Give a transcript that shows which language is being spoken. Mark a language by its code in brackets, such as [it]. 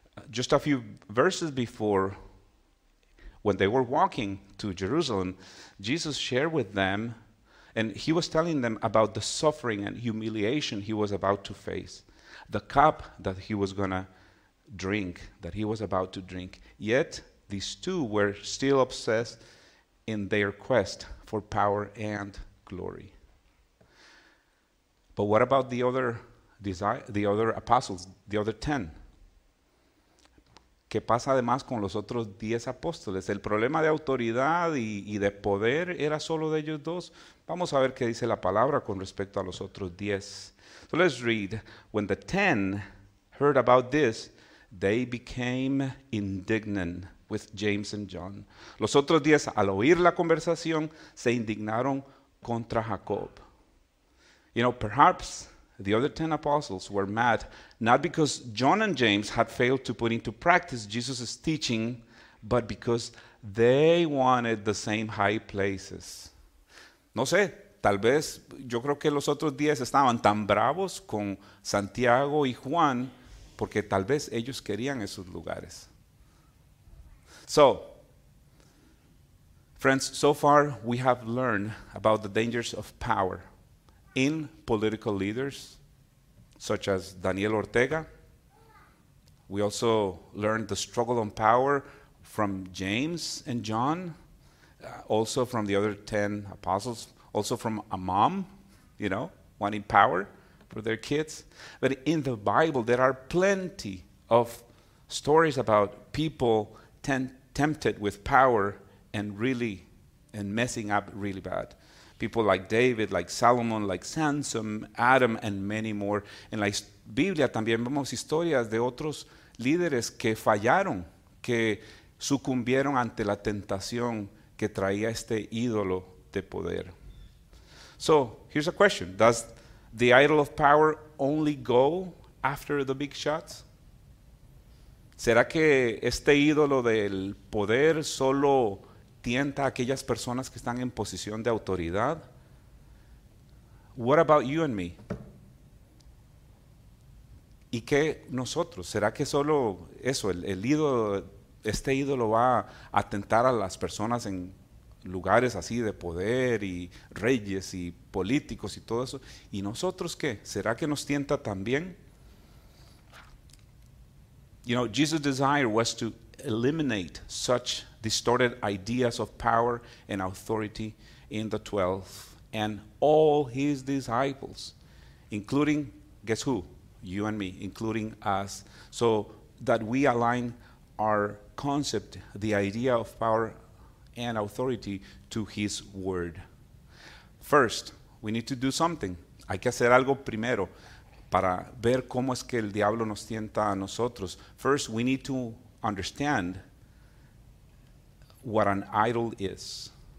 [en] Just a few verses before, when they were walking to Jerusalem, Jesus shared with them, and he was telling them about the suffering and humiliation he was about to face, the cup that he was going to drink, that he was about to drink. Yet these two were still obsessed in their quest for power and glory. But what about the other apostles, the other 10? [es] ¿Qué pasa además con los otros 10 apóstoles? ¿El problema de autoridad y de poder era solo de ellos dos? Vamos a ver qué dice la palabra con respecto a los otros 10. [en] So let's read. When the 10 heard about this, they became indignant with James and John. [es] Los otros 10, al oír la conversación, se indignaron contra Jacob. [en] You know, perhaps the other 10 apostles were mad, not because John and James had failed to put into practice Jesus' teaching, but because they wanted the same high places. [es] No sé, tal vez, yo creo que los otros 10 estaban tan bravos con Santiago y Juan, porque tal vez ellos querían esos lugares. [en] So, friends, so far we have learned about the dangers of power in political leaders, such as Daniel Ortega. We also learned the struggle on power from James and John, also from the other 10 apostles, also from a mom, you know, wanting power for their kids. But in the Bible, there are plenty of stories about people tempted with power and messing up really bad. People like David, like Solomon, like Samson, Adam, and many more. [es] En la Biblia también vemos historias de otros líderes que fallaron, que sucumbieron ante la tentación que traía este ídolo de poder. [en] So, here's a question. Does the idol of power only go after the big shots? [es] ¿Será que este ídolo del poder solo tienta a aquellas personas que están en posición de autoridad? [en] What about you and me? [es] ¿Y qué nosotros? ¿Será que solo eso, este ídolo va a tentar a las personas en lugares así de poder y reyes y políticos y todo eso? ¿Y nosotros qué? ¿Será que nos tienta también? [en] You know, Jesus' desire was to eliminate such distorted ideas of power and authority in the 12 and all his disciples, including, guess who? You and me, including us, so that we align our concept, the idea of power and authority, to his word. First, we need to do something. [es] Hay que hacer algo primero para ver cómo es que el diablo nos tienta a nosotros. [en] First, we need to understand what an idol is.